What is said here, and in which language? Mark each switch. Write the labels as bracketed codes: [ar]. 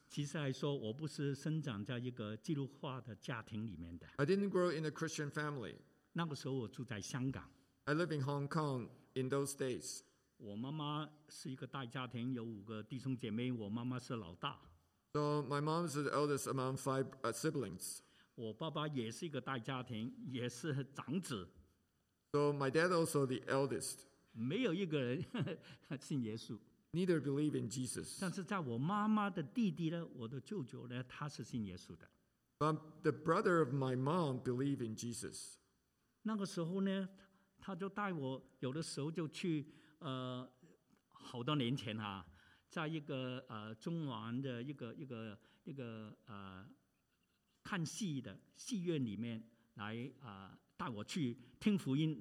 [zh] 其实来说，我不是生长在一个基督化的家庭里面的。 [en] I didn't grow in a Christian family. [zh] 那个时候我住在香港。 [en] I live in Hong Kong in those days. [zh] 我妈妈是一个大家庭，有五个弟兄姐妹，我妈妈是老大。 [en] So my mom is the eldest among five siblings. [zh] 我爸爸也是一个大家庭，也是长子。 [en] So my dad also the eldest. [zh] 没有一个人信耶稣。 [en] Neither believe in Jesus. [zh] 但是在我妈妈的弟弟呢，我的舅舅呢，他是信耶稣的。 [en] But the brother of my mom believe in Jesus. [zh] 那个时候呢，他就带我，有的时候就去，好多年前啊，在一个中环的一个看戏的戏院里面来带我去听福音。